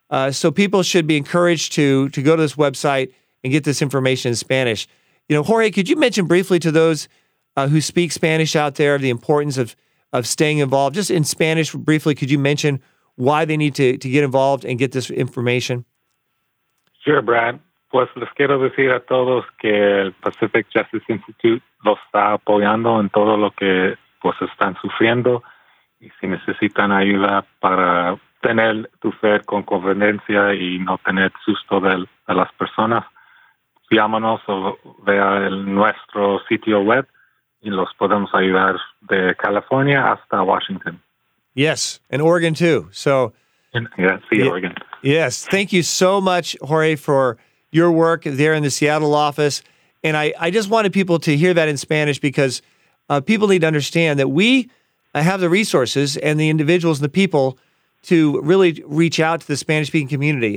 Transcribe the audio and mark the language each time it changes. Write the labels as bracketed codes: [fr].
[en] So people should be encouraged to go to this website and get this information in Spanish. You know, Jorge, could you mention briefly to those who speak Spanish out there the importance of staying involved? Just in Spanish, briefly, could you mention why they need to get involved and get this information? Sure, Brad. [es] Pues les quiero decir a todos que el Pacific Justice Institute los está apoyando en todo lo que pues están sufriendo, y si necesitan ayuda para tener tu fe con conveniencia y no tener susto de las personas, llámanos o vea el nuestro sitio web, los podemos ayudar de California hasta Washington. [en] Yes, and Oregon too. So, Oregon. Yes, thank you so much, Jorge, for your work there in the Seattle office. And I just wanted people to hear that in Spanish because people need to understand that we have the resources and the individuals and the people to really reach out to the Spanish-speaking community.